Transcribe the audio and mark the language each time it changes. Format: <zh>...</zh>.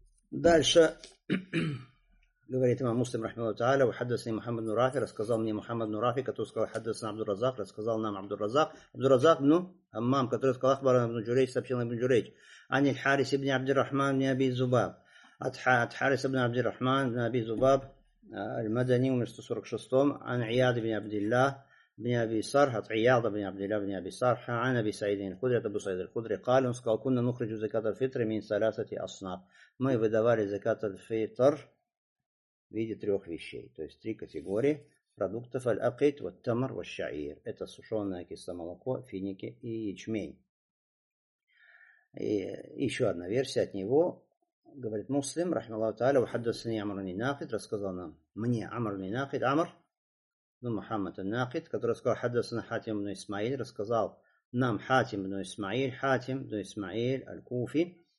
<ru>Дальше говорит имам Муслим, рахмаллаху тааля, хаддасани Мухаммад ан-Рафи, рассказал мне Мухаммад ан-Рафи, который сказал, хаддасана Абдур-Разак, рассказал нам Абдур-Разак. Абдур-Разак, ну, аммам, который сказал, ахбарана ибн Джурейч, сообщил ибн Джурейч, ани аль-Харис ибн Абдур-Рахман ибн Аби Зубаб. От Харис ибн Абдур-Рахман ибн Аби Зубаб, аль-Мадани, умер в 146-м, ан Ияд ибн Абдиллах,</ru> <ar>بني أبي صرح عياض بن عبد الله بن أبي صرح عن أبي سعيد الخدري أبو سعيد الخدري قال قال كنا نخرج زكاة الفطر من ثلاثة أصناف ما</ar> <ru>выдавали</ru> <ar>زكاة الفطر</ar> <ru>в виде трех вещей, то есть три категории продуктов:</ru> <ar>الأقيت والتمر والشعير.</ar> <ru>Это сушеное кислое молоко, финики и ячмень. И еще одна версия от него. Говорит Муслим, рахмаллаху тааля,</ru> <ar>وحدثني عمرو بن ناقد,</ar> <ru>рассказал нам мне</ru> <ar>عمرو بن ناقد,</ar> <ru>عمر ну, Мухаммад ан-Накид, который сказал, хаддасана Хатим ибн Исмаиль, рассказал нам Хатим ибн Исмаиль, Хатим ибн Исмаиль аль-Куфи,</ru>